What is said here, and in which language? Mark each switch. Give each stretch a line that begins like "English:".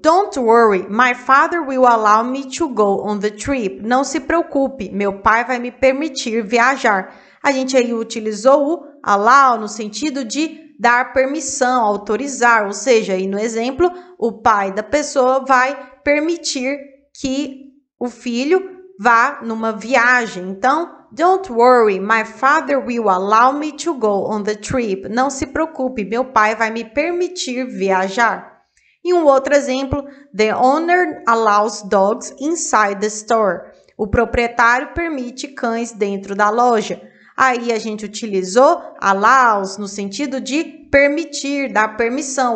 English: Don't worry, my father will allow me to go on the trip.
Portuguese: Não se preocupe, meu pai vai me permitir viajar. A gente aí utilizou o allow no sentido de dar permissão, autorizar. Ou seja, aí no exemplo, o pai da pessoa vai permitir que o filho vá numa viagem.
English: Então, don't worry, my father will allow me to go on the trip.
Portuguese: Não se preocupe, meu pai vai me permitir viajar. E um outro exemplo,
English: the owner allows dogs inside the store.
Portuguese: O proprietário permite cães dentro da loja. Aí a gente utilizou allows no sentido de permitir, dar permissão.